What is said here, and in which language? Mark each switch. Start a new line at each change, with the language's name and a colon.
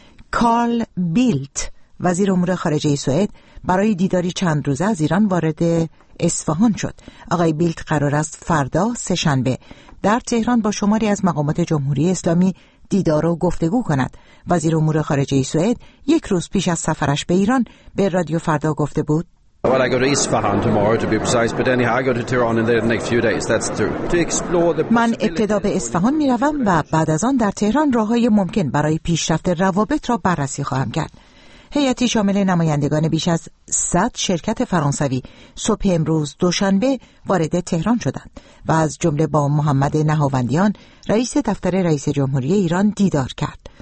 Persian: کارل بیلت وزیر امور خارجه سوئد برای دیداری چند روزه از ایران وارد اصفهان شد. آقای بیلت قرار است فردا سه‌شنبه در تهران با شماری از مقامات جمهوری اسلامی دیدار و گفتگو کند. وزیر امور خارجه سوئد یک روز پیش از سفرش به ایران به رادیو فردا گفته بود:
English: Well, I go to Isfahan tomorrow, to be precise. But anyhow, I go to Tehran in the next few days. That's true. To explore the.
Persian: من ابتدا به اصفهان می روم و بعد از آن در تهران راه‌های ممکن برای پیشرفت روابط را بررسی خواهم کرد. هیئتی شامل نمایندگان بیش از 100 شرکت فرانسوی صبح امروز دوشنبه وارد تهران شدند و از جمله با محمد نهاوندیان رئیس دفتر رئیس جمهوری ایران دیدار کرد.